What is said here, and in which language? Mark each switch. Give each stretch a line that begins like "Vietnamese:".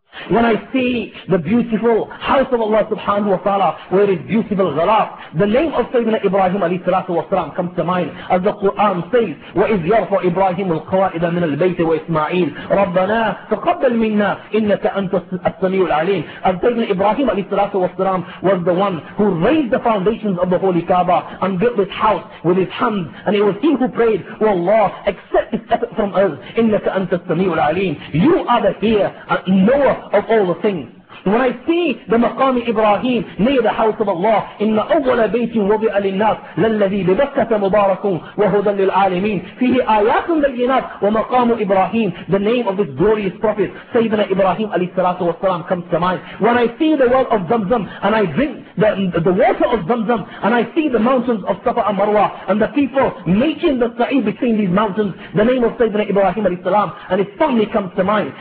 English: When I see the beautiful house of Allah subhanahu wa ta'ala, where it is beautiful ghalaf, the name of Sayyidina Ibrahim alayhi salatu wasalam comes to mind, as the Quran says,
Arabic: وَإِذْ يَرْفَعُ إِبْرَاهِيمُ الْقَوَائِدَ مِنَ الْبَيْتِ وَإِسْمَعِيلِ رَبَّنَا تَقَبَّلْ مِنَّا إِنَّكَ أَنْتَ السَّمِيعُ الْعَلِيمُ.
English: As Sayyidina Ibrahim alayhi salatu wasalam was the one who raised the foundations of the Holy Kaaba and built this house with his hands, and it was he who prayed, O Allah, accept this effort from us,
Arabic: إِنَّكَ أَنْتَ السَّمِيعُ الْعَلِيمُ.
English: You are the hear and knower of all the things. When I see the Maqam Ibrahim near the house of Allah,
Arabic: إن أول بيت وضع للناس للذي ببكة مبارك وهدى للعالمين فيه آيات بينات ومقام إبراهيم.
English: The name of this glorious prophet Sayyidina Ibrahim
Arabic: عليه الصلاة والسلام
English: comes to mind. When I see the well of Zamzam and I drink the water of Zamzam and I see the mountains of Safa and Marwa and the people making the sa'i between these mountains, the name of Sayyidina Ibrahim
Arabic: عليه السلام
English: and his family comes to mind.